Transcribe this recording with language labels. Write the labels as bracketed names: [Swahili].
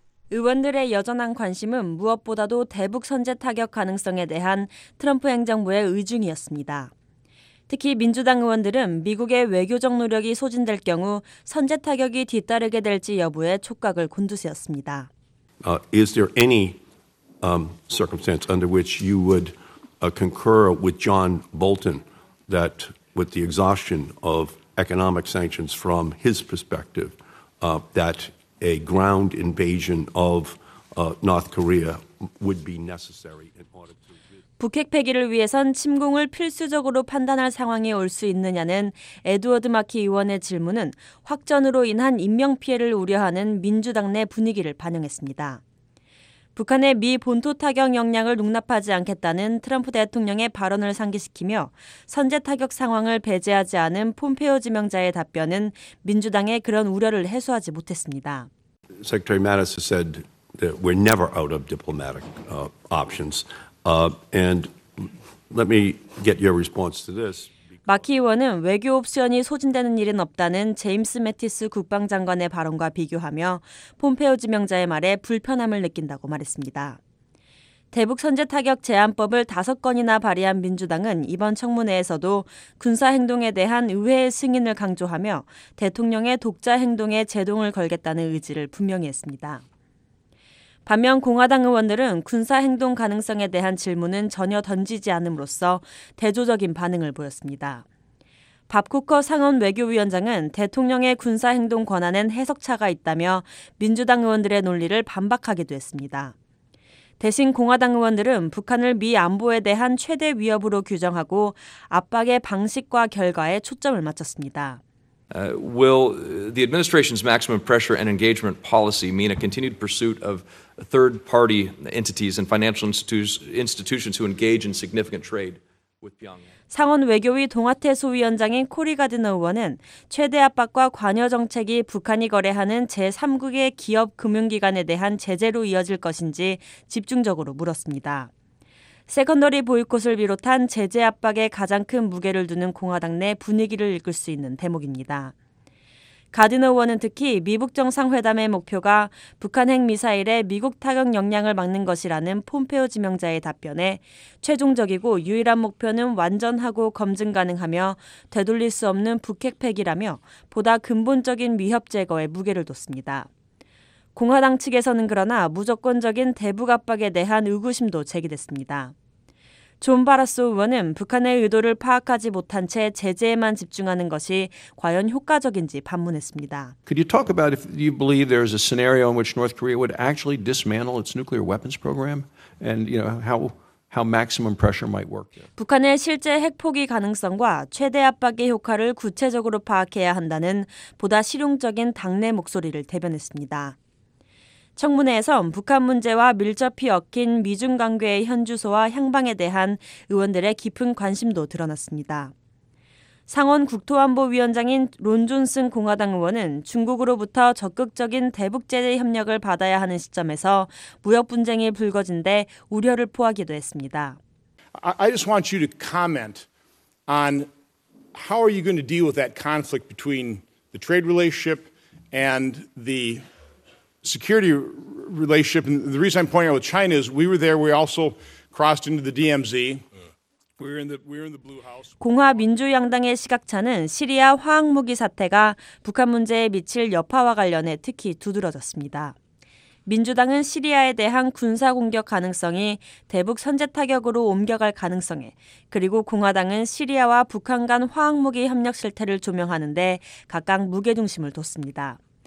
[Korean] 의원들의 여전한 관심은 무엇보다도 대북 선제 타격 가능성에 대한 트럼프 행정부의 의중이었습니다. 특히 민주당 의원들은 미국의 외교적 노력이 소진될 경우 선제 타격이 뒤따르게 될지 여부에 촉각을 곤두세웠습니다. [English] Is there any circumstance under which you would concur with John Bolton that with the exhaustion of economic sanctions from his perspective that a ground invasion of North Korea would be necessary in order to [Korean] 북핵 폐기를 위해선 침공을 필수적으로 판단할 상황이 올 수 있느냐는 에드워드 마키 의원의 질문은 확전으로 인한 인명 피해를 우려하는 민주당 내 분위기를 반영했습니다. 북한의 미 본토 타격 역량을 농납하지 않겠다는 트럼프 대통령의 발언을 상기시키며 선제 타격 상황을 배제하지 않은 폼페오 지명자의 답변은 민주당의 그런 우려를 해소하지 못했습니다. [English] Secretary Mattis said that we're never out of diplomatic options. And let me get your response to this. [Korean] 마키 의원은 외교 옵션이 소진되는 일은 없다는 제임스 매티스 국방장관의 발언과 비교하며 폼페오 지명자의 말에 불편함을 느낀다고 말했습니다. 대북 선제 타격 제안법을 5건이나 발의한 민주당은 이번 청문회에서도 군사 행동에 대한 의회의 승인을 강조하며 대통령의 독자 행동에 제동을 걸겠다는 의지를 분명히 했습니다. 반면 공화당 의원들은 군사행동 가능성에 대한 질문은 전혀 던지지 않음으로써 대조적인 반응을 보였습니다. 밥 쿠커 상원 외교위원장은 대통령의 군사행동 권한엔 해석차가 있다며 민주당 의원들의 논리를 반박하기도 했습니다. 대신 공화당 의원들은 북한을 미 안보에 대한 최대 위협으로 규정하고 압박의 방식과 결과에 초점을 맞췄습니다. [English] Will the administration's maximum pressure and engagement policy mean a continued pursuit of third-party entities and financial institutions who engage in significant trade with Pyongyang? [Korean] 상원 외교위 동아태 소위원장인 코리 가드너 의원은 최대 압박과 관여 정책이 북한이 거래하는 제3국의 기업 금융기관에 대한 제재로 이어질 것인지 집중적으로 물었습니다. 세컨더리 보이콧을 비롯한 제재 압박에 가장 큰 무게를 두는 공화당 내 분위기를 읽을 수 있는 대목입니다. 가드너 의원은 특히 미북 정상회담의 목표가 북한 핵 미사일의 미국 타격 역량을 막는 것이라는 폼페오 지명자의 답변에 최종적이고 유일한 목표는 완전하고 검증 가능하며 되돌릴 수 없는 북핵 폐기라며 보다 근본적인 위협 제거에 무게를 뒀습니다. 공화당 측에서는 그러나 무조건적인 대북 압박에 대한 의구심도 제기됐습니다. 존 바라소 의원은 북한의 의도를 파악하지 못한 채 제재에만 집중하는 것이 과연 효과적인지 반문했습니다. [English] Could you talk about if you believe there is a scenario in which North Korea would actually dismantle its nuclear weapons program and you know how maximum pressure might work? [Korean] 북한의 실제 핵 포기 가능성과 최대 압박의 효과를 구체적으로 파악해야 한다는 보다 실용적인 당내 목소리를 대변했습니다. 청문회에선 북한 문제와 밀접히 엮인 미중 관계의 현주소와 향방에 대한 의원들의 깊은 관심도 드러났습니다. 상원 국토안보위원장인 론 존슨 공화당 의원은 중국으로부터 적극적인 대북 제재 협력을 받아야 하는 시점에서 무역 분쟁이 불거진데 우려를 포하기도 했습니다. [English] I just want you to comment on how are you going to deal with that conflict between the trade relationship and the security relationship. And the reason I'm pointing out with China is we were there. We also crossed into the DMZ. We're in the Blue House. [Korean] 공화민주양당의 시각차는 시리아 화학무기 사태가 북한 문제에 미칠 여파와 관련해 특히 두드러졌습니다. 민주당은 시리아에 대한 군사공격 가능성이 대북 선제타격으로 옮겨갈 가능성에 그리고 공화당은 시리아와 북한 간 화학무기 협력 실태를 조명하는 데 각각 무게중심을 뒀습니다.